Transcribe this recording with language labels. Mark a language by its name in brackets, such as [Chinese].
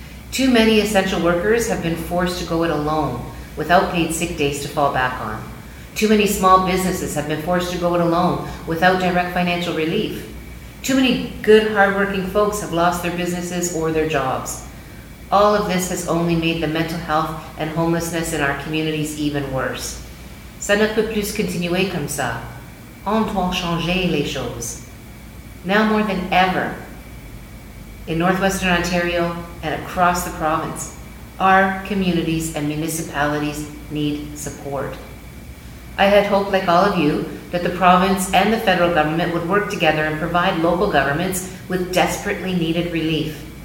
[English] Too many essential workers have been forced to go it alone without paid sick days to fall back on. Too many small businesses have been forced to go it alone without direct financial relief. Too many good, hardworking folks have lost their businesses or their jobs. All of this has only made the mental health and homelessness in our communities even worse. [French] Ça ne peut plus continuer comme ça. On doit changer les choses. [English] Now more than ever, in northwestern Ontario and across the province, our communities and municipalities need support. I had hoped, like all of you, that the province and the federal government would work together and provide local governments with desperately needed relief.